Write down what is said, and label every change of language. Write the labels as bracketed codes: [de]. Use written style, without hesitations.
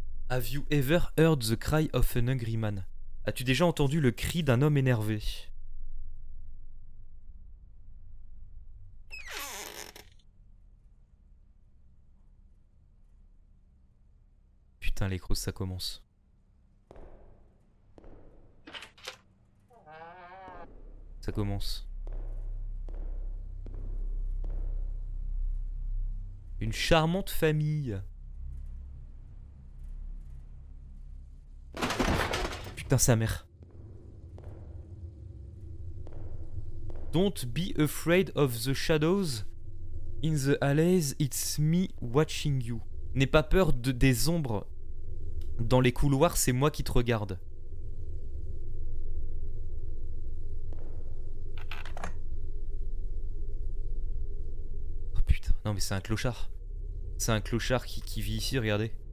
[en] Have you ever heard the cry of an angry man? [fr] As-tu déjà entendu le cri d'un homme énervé? Putain, les crocs, ça commence. Ça commence. Une charmante famille. Sa mère. [en] Don't be afraid of the shadows in the alleys, it's me watching you. [fr] N'aie pas peur des ombres dans les couloirs, c'est moi qui te regarde. Oh putain, non mais c'est un clochard. C'est un clochard qui vit ici, regardez.